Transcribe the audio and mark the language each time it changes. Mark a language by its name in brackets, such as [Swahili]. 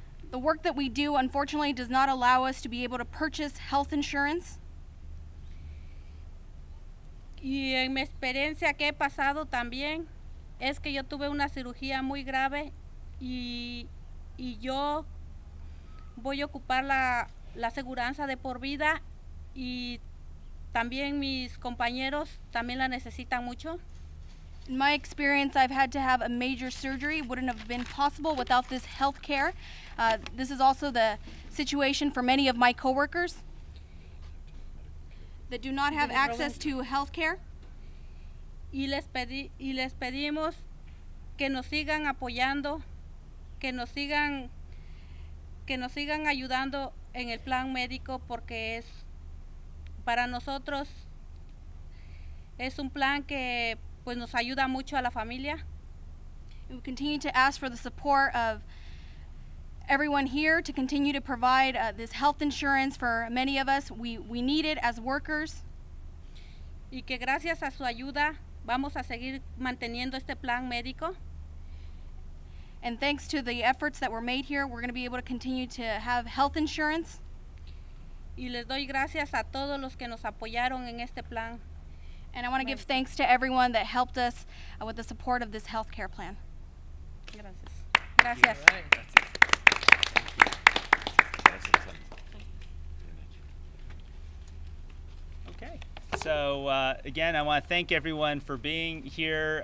[English] The work that we do, unfortunately, does not allow us to be able to purchase health insurance. [Spanish] Y en mi experiencia que he pasado también es que yo tuve una cirugía muy grave y yo voy a ocupar la aseguranza de por vida, y también mis compañeros también la necesitan mucho. [English] In my experience, I've had to have a major surgery. Wouldn't have been possible without this health care. This is also the situation for many of my coworkers that do not have access to health care. [Spanish] Y les pedimos que nos sigan apoyando, que nos sigan ayudando en el plan médico, porque es para nosotros es un plan que pues nos ayuda mucho a la familia. [English] We continue to ask for the support of everyone here to continue to provide this health insurance for many of us. We need it as workers. [Spanish] Y que gracias a su ayuda vamos a seguir manteniendo este plan médico. [English] And thanks to the efforts that were made here, we're going to be able to continue to have health insurance. [Spanish] Y les doy gracias a todos los que nos apoyaron en este plan. [English] And I want to give thanks to everyone that helped us with the support of this health care plan. [Spanish] Gracias. Gracias. [English] So again, I want to thank everyone for being here.